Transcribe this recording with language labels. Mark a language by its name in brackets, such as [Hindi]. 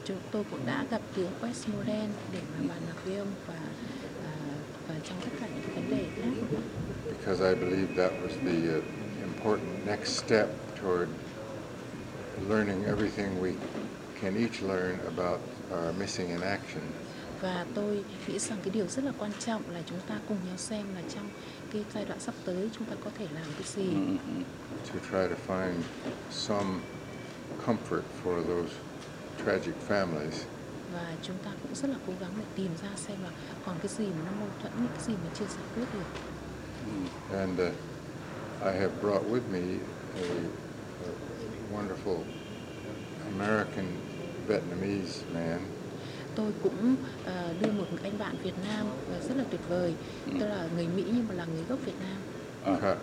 [Vietnamese] Tôi cũng đã gặp tướng Westmoreland để mà bàn bạc với ông và trong tất cả những vấn đề khác. [English] Because I believe that was the important next step toward learning everything we can each learn about our missing in action. [Vietnamese] Và tôi nghĩ rằng cái điều rất là quan trọng là chúng ta cùng nhau xem là trong cái giai đoạn sắp tới chúng ta có thể làm cái gì. [English] To try to find some comfort for those tragic families. [Vietnamese] Và chúng ta cũng rất là cố gắng để tìm ra xem là còn cái gì mà nó mâu thuẫn, cái gì mà chưa giải quyết được. [English] And I have brought with me a wonderful American Vietnamese man. [Vietnamese] Tôi cũng đưa một anh bạn Việt Nam rất là tuyệt vời. Tức là người Mỹ nhưng mà là người gốc Việt Nam.